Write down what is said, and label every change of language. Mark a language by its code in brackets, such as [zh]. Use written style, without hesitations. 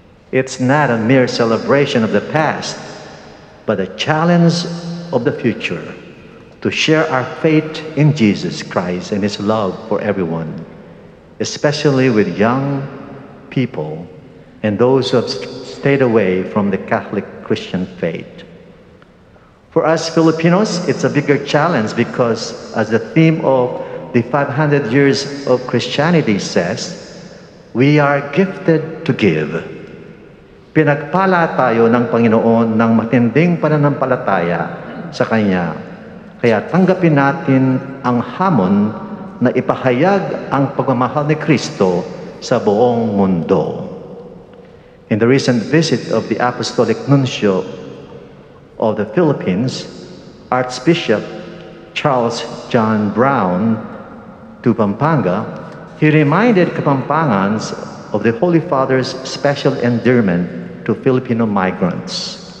[en] It's not a mere celebration of the past, but a challenge of the future to share our faith in Jesus Christ and His love for everyone, especially with young people and those who have stayed away from the Catholic Christian faith. For us Filipinos, it's a bigger challenge because, as the theme of the 500 years of Christianity says, we are gifted to give. [tl] Pinagpala tayo ng Panginoon ng matinding pananampalataya sa Kanya. Kaya tanggapin natin ang hamon na ipahayag ang pagmamahal ni Kristo sa buong mundo. [en] In the recent visit of the Apostolic Nuncio of the Philippines, Archbishop Charles John Brown to Pampanga, he reminded Kapampangans of the Holy Father's special endearment to Filipino migrants.